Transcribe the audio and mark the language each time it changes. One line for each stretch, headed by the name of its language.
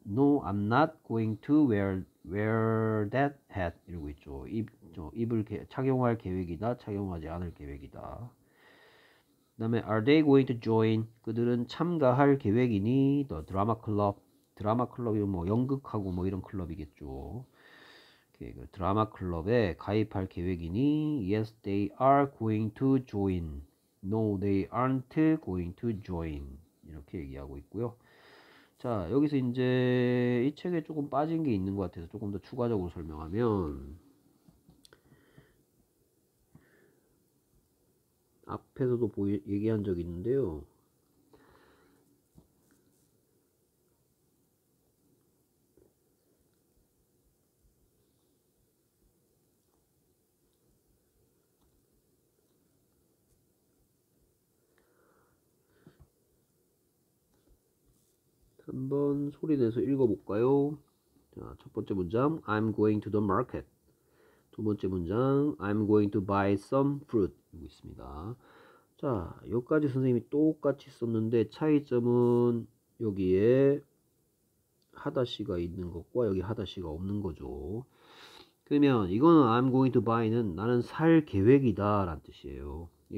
English: No, I'm not going to wear that hat.
Korean: 이러고 있죠. 착용할 계획이다, 착용하지 않을 계획이다. 그 다음에
English: Are they going to join?
Korean: 그들은 참가할 계획이니?
English: The drama club.
Korean: 드라마 클럽이면 뭐 연극하고 뭐 이런 클럽이겠죠. 오케이, 그 드라마 클럽에 가입할 계획이니?
English: Yes, they are going to join. No, they aren't going to join.
Korean: 이렇게 얘기하고 있고요. 자, 여기서 이제 이 책에 조금 빠진 게 있는 것 같아서 조금 더 추가적으로 설명하면 앞에서도 얘기한 적이 있는데요. 한번 소리 내서 읽어볼까요? 자, 첫 번째 문장,
English: I'm going to the market.
Korean: 두 번째 문장,
English: I'm going to buy some fruit.
Korean: 이거 있습니다. 자, 여기까지 선생님이 똑같이 썼는데 차이점은 여기에 하다시가 있는 것과 여기 하다시가 없는 거죠. 그러면 이거는
English: I'm going to buy
Korean: 는 나는 살 계획이다 라는 뜻이에요.